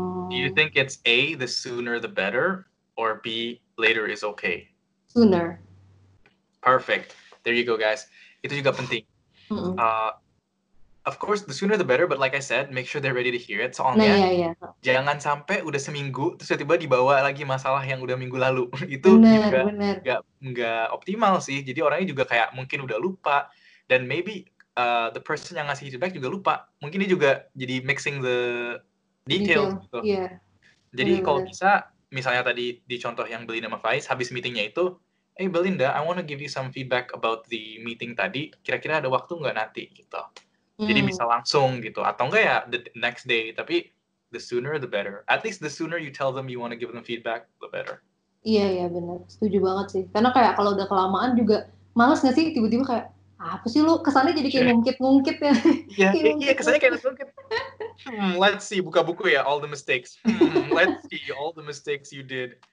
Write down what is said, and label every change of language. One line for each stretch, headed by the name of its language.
English: Do you think it's A, the sooner the better, or B, later is okay? Sooner. Perfect. There you go, guys.
Indonesian: Itu juga penting.
English: Of course, the sooner the better, but like I said, make sure they're ready to hear it.
Indonesian: Soalnya, jangan sampai udah seminggu, terus tiba-tiba dibawa lagi masalah yang udah minggu lalu. Itu juga gak optimal sih. Jadi orangnya juga kayak mungkin udah lupa, dan
English: maybe the person
Indonesian: yang ngasih feedback juga lupa. Mungkin dia juga jadi mixing the details. Jadi kalau bisa, misalnya tadi di contoh yang Belinda sama Faiz, habis meetingnya itu,
English: hey Belinda, I want to give you some feedback about the meeting
Indonesian: tadi, kira-kira ada waktu nggak nanti? Gitu. Jadi bisa langsung gitu. Atau nggak ya
English: the next day, tapi the sooner the better. At least the sooner you tell them you want to give them feedback, the better.
Indonesian: Iya, benar. Setuju banget sih. Karena kayak kalau udah kelamaan juga, males nggak sih tiba-tiba kayak, apa sih lu kesannya jadi kayak ngungkit-ngungkit ya? Iya, kesannya kayak ngungkit.
English: Let's see,
Indonesian: buka buku ya,
English: all the mistakes. Let's see, all the mistakes you did.